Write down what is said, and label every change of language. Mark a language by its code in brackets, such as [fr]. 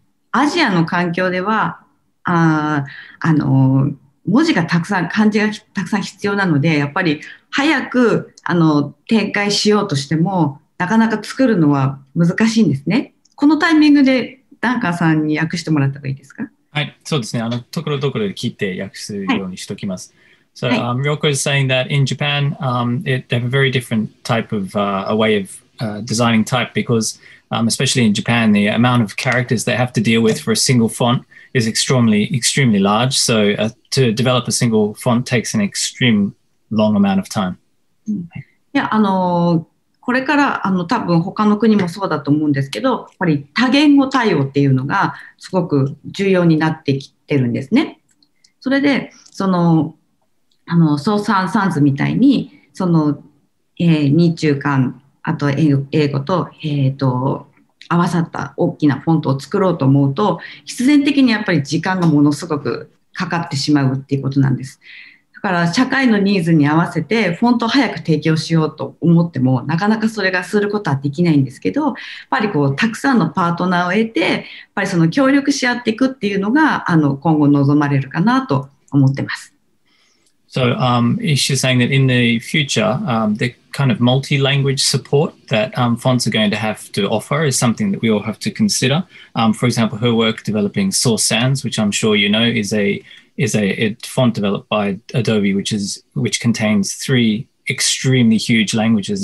[ja] アジアの環境では、文字がたくさん、漢字がたくさん必要なので、やっぱり早く、展開しようとしても、なかなか作るのは難しいんですね。このタイミングでダンカーさんに訳してもらった方がいいですか？はい、そうですね。ところどころで切って訳すようにしておきます。 [en] はい、So Ryoko is saying that in Japan, they have a very different type of a way of designing type because, especially in Japan, the amount of characters they have to deal with for a single font is extremely large. So to develop a single font takes an extreme long amount of time. [ja] Yeah, これから多分他の国もそうだと思うんですけど、やっぱり多言語対応っていうのがすごく重要になってきてるんですね。それでそのソーサン・サンズみたいに、その、日中間、あと英語と、合わさった大きなフォントを作ろうと思うと、必然的にやっぱり時間がものすごくかかってしまうっていうことなんです。だから、社会のニーズに合わせて、フォントを早く提供しようと思っても、なかなかそれがすることはできないんですけど、やっぱりこう、たくさんのパートナーを得て、やっぱりその協力し合っていくっていうのが、今後望まれるかなと思ってます。 [en] So she's saying that in the future, the kind of multi-language support that fonts are going to have to offer is something that we all have to consider. For example, her work developing Source Sans, which I'm sure you know, is a font developed by Adobe, which contains three extremely huge languages.